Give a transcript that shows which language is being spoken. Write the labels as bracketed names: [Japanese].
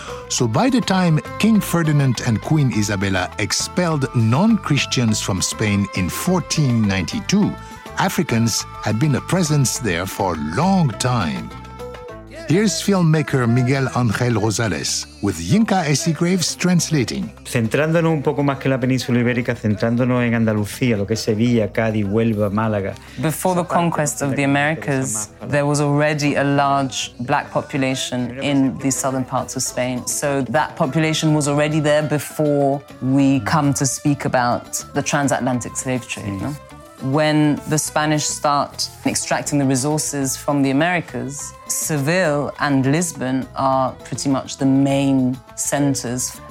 [English] So by the time King Ferdinand and Queen Isabella expelled non-Christians from Spain in 1492, Africans had been a presence there for a long time. Here's filmmaker Miguel Ángel Rosales with Yinka Essigraves translating. [Spanish] Centrándonos un poco más que la península ibérica, centrándonos en Andalucía, lo que es Sevilla, Cádiz, Huelva, Málaga. [English] Before the conquest of the Americas, there was already a large black population in the southern parts of Spain. So that population was already there before we come to speak about the transatlantic slave trade. Sí. No? When the Spanish start extracting the resources from the Americas, Seville and Lisbon are pretty much the main centers.